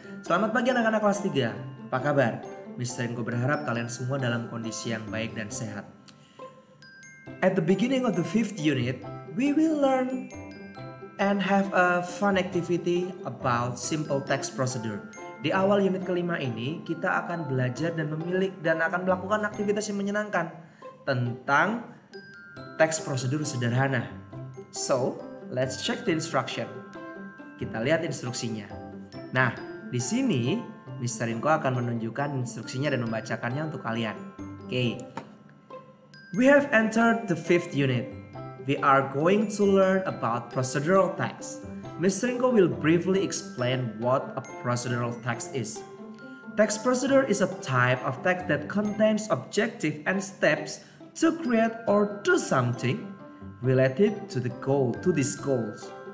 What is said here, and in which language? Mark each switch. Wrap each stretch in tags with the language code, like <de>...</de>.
<id>Selamat pagi anak-anak kelas 3. Apa kabar? Miss Renko berharap kalian semua dalam kondisi yang baik dan sehat.</id> <en>At the beginning of the 5th unit, we will learn and have a fun activity about simple text procedure.</en> <id>Di awal unit kelima ini, kita akan belajar dan memilih dan akan melakukan aktivitas yang menyenangkan tentang teks prosedur sederhana.</id> <en>So, let's check the instruction.</en> <id>Kita lihat instruksinya. Nah, di sini Mr. Rinko akan menunjukkan instruksinya dan membacakannya untuk kalian.</id> <en>Oke. We have entered the 5th unit. We are going to learn about procedural text. Mr. Rinko will briefly explain what a procedural text is. Text procedure is a type of text that contains objective and steps to create or do something related to the goal, to these goals.</en>